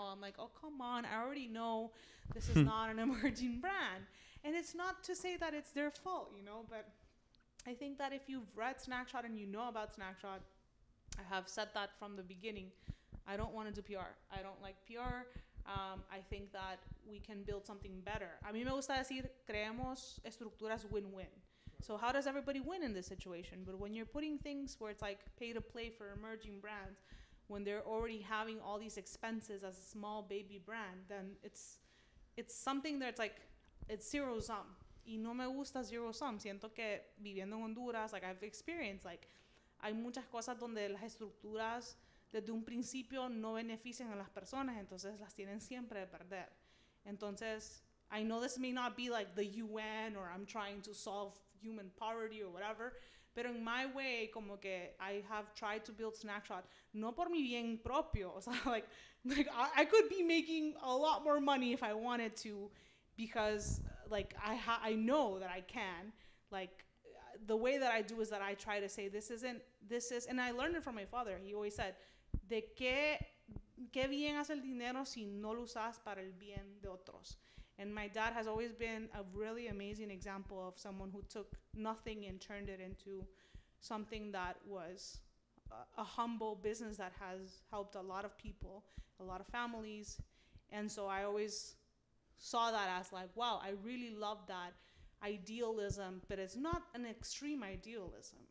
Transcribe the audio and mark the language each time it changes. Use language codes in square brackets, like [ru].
[en] I'm like, oh, come on, I already know this is not an emerging brand. And it's not to say that it's their fault, you know, but I think that if you've read Snaxshot and you know about Snaxshot, I have said that from the beginning, I don't want to do PR. I don't like PR. I think that we can build something better. [es] A mí me gusta decir, creemos estructuras win-win. [en] So how does everybody win in this situation? But when you're putting things where it's like pay to play for emerging brands, when they're already having all these expenses as a small baby brand, then it's something that's like, it's zero sum. [es] Y no me gusta zero sum. Siento que viviendo en Honduras, [en] like, I've experienced, like, [es] hay muchas cosas donde las estructuras desde un principio no benefician a las personas, entonces las tienen siempre de perder. [en] Entonces, I know this may not be like the UN or I'm trying to solve human poverty or whatever, [es] pero [en] in my way, [es] como que [en] I have tried to build Snaxshot, [es] no por mi bien propio, o sea, [en] like I could be making a lot more money if I wanted to, because like I know that I can, like, the way that I do is that I try to say this is, and I learned it from my father. He always said, [es] de qué bien hace el dinero si no lo usas para el bien de otros. [en] And my dad has always been a really amazing example of someone who took nothing and turned it into something that was a humble business that has helped a lot of people, a lot of families. And so I always saw that as like, wow, I really love that idealism, but it's not an extreme idealism.